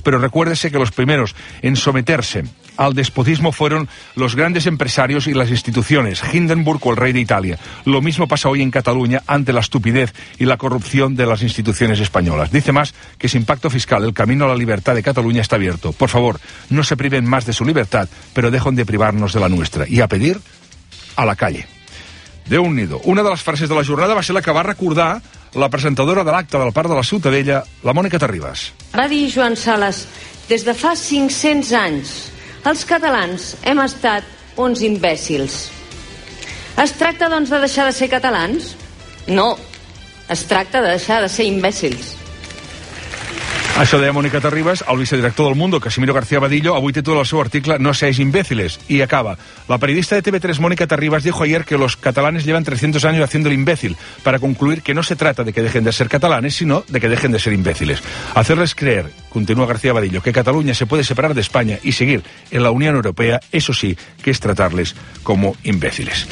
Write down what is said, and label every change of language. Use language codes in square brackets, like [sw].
[es] Pero recuérdese que los primeros en someterse al despotismo fueron los grandes empresarios y las instituciones, Hindenburg o el rey de Italia. Lo mismo pasa hoy en Cataluña ante la estupidez y la corrupción de las instituciones españolas. Dice más que sin pacto fiscal el camino a la libertad de Cataluña está abierto. Por favor, no se priven más de su libertad, pero dejen de privarnos de la nuestra. Y a pedir a la calle. [ca] Déu-n'hi-do. Una de las frases de la jornada va ser la que va recordar la presentadora de l'acte del Parc de la Ciutadella, la Mònica Terribas. Va dir Joan Sales, des de fa 500 anys, els catalans hem estat uns imbècils. Es tracta, doncs, de deixar de ser catalans? No, es tracta de deixar de ser imbècils. Això deia Mònica Terribas, el vicedirector del Mundo, Casimiro García Badillo, avui té tot el seu article No seáis imbéciles, i acaba. [es] La periodista de TV3, Mònica Terribas, dijo ayer que los catalanes llevan 300 años haciendo el imbécil, para concluir que no se trata de que dejen de ser catalanes, sino de que dejen de ser imbéciles. Hacerles creer, continúa García Badillo, que Cataluña se puede separar de España y seguir en la Unión Europea, eso sí que es tratarles como imbéciles.